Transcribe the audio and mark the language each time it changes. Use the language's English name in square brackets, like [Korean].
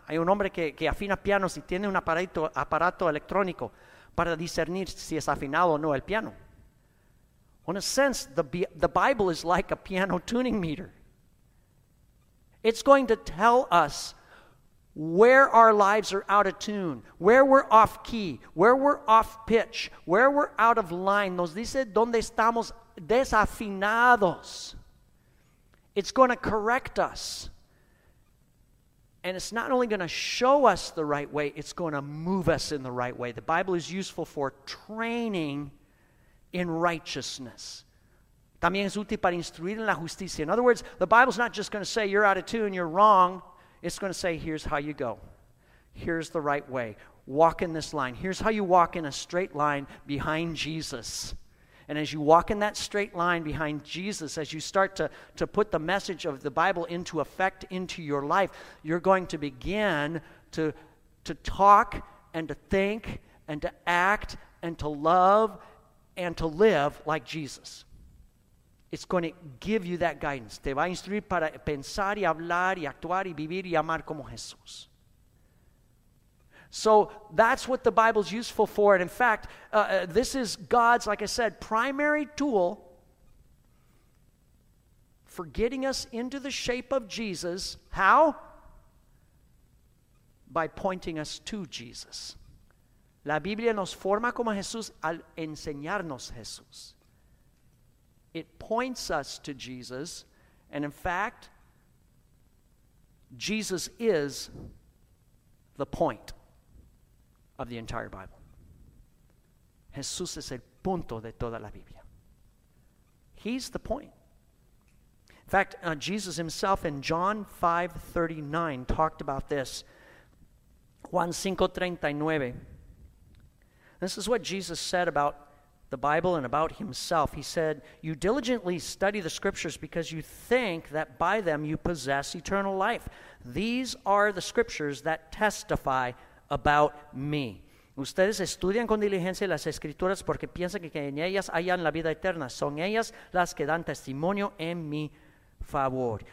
[Spanish] Hay un hombre que afina pianos y tiene un aparato electrónico para discernir si es afinado o no el piano. [English] In a sense, the Bible is like a piano tuning meter. It's going to tell us where our lives are out of tune, where we're off key, where we're off pitch, where we're out of line. [Spanish] Nos dice dónde estamos desafinados. [English] It's going to correct us. And it's not only going to show us the right way, it's going to move us in the right way. The Bible is useful for training in righteousness. [Spanish] También es útil para instruir en la justicia. [English] In other words, the Bible's not just going to say you're out of tune, you're wrong. It's going to say, here's how you go. Here's the right way. Walk in this line. Here's how you walk in a straight line behind Jesus. And as you walk in that straight line behind Jesus, as you start to put the message of the Bible into effect into your life, you're going to begin to talk and to think and to act and to love and to live like Jesus. It's going to give you that guidance. [Spanish] Te va a instruir para pensar y hablar y actuar y vivir y amar como Jesús. [English] So that's what the Bible's useful for. And in fact, this is God's, like I said, primary tool for getting us into the shape of Jesus. How? By pointing us to Jesus. [Spanish] La Biblia nos forma como Jesús al enseñarnos Jesús. [English] It points us to Jesus, and in fact, Jesus is the point of the entire Bible. [Spanish] Jesús es el punto de toda la Biblia. [English] He's the point. In fact, Jesus himself in John 5:39 talked about this. [Spanish] Juan 5:39. [English] This is what Jesus said about the Bible and about himself. He said, "You diligently study the scriptures because you think that by them you possess eternal life. These are the scriptures that testify about me." [Spanish] Ustedes estudian con diligencia las escrituras porque piensan que en ellas hallan la vida eterna. Son ellas las que dan testimonio en mi favor.